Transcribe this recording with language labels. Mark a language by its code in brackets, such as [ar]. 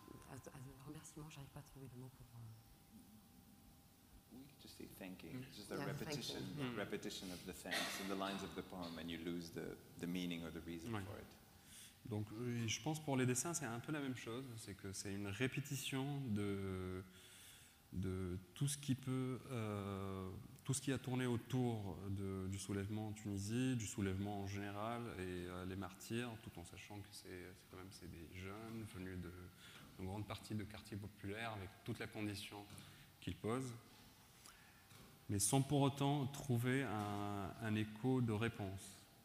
[en] As a [fr] remerciement, j'arrive pas à trouver le mot pour. [en] We could just say thanking. It's just a repetition, repetition of the thanks in the lines of the poem, and you lose the meaning or the reason for it. [fr] Donc, je pense pour les dessins, c'est un peu la même chose. C'est que c'est une répétition de tout ce qui peut. Tout ce qui a tourné autour du soulèvement en Tunisie, du soulèvement en général et les martyrs, tout en sachant que c'est quand même des jeunes venus de grande partie de quartiers populaires avec toute la condition qu'ils posent, mais sans pour autant trouver un écho de réponse.